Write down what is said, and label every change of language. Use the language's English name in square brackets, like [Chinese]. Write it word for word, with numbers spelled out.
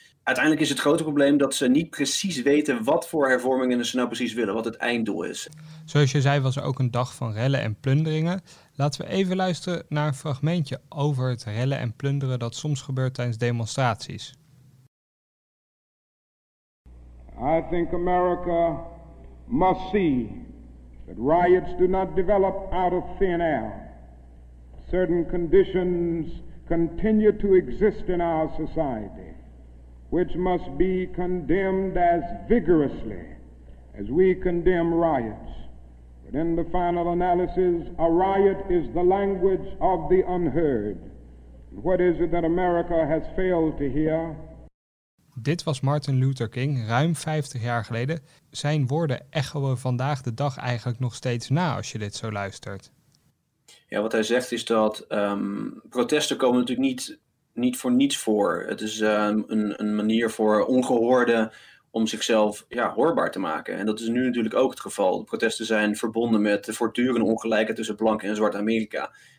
[Dutch] Uiteindelijk is het grote probleem dat ze niet precies weten wat voor hervormingen ze nou precies willen, wat het einddoel is. Zoals je zei was er ook een dag van rellen en plunderingen. Laten we even luisteren naar een fragmentje over het rellen en plunderen dat soms gebeurt tijdens demonstraties. [English] I think America must see that riots do not develop out of thin air. Certain conditions continue to exist in our society, which must be condemned as vigorously as we condemn riots. But in the final analysis, a riot is the language of the unheard, What is it that America has failed to hear? [Dutch] Dit was Martin Luther King ruim vijftig jaar geleden. Zijn woorden echoen vandaag de dag eigenlijk nog steeds na als je dit zo luistert. Ja, wat hij zegt is dat um, protesten komen natuurlijk niet, niet voor niets voor. Het is uh, een, een manier voor ongehoorden om zichzelf ja, hoorbaar te maken. En dat is nu natuurlijk ook het geval. De protesten zijn verbonden met de voortdurende ongelijkheid tussen blank en zwart Amerika.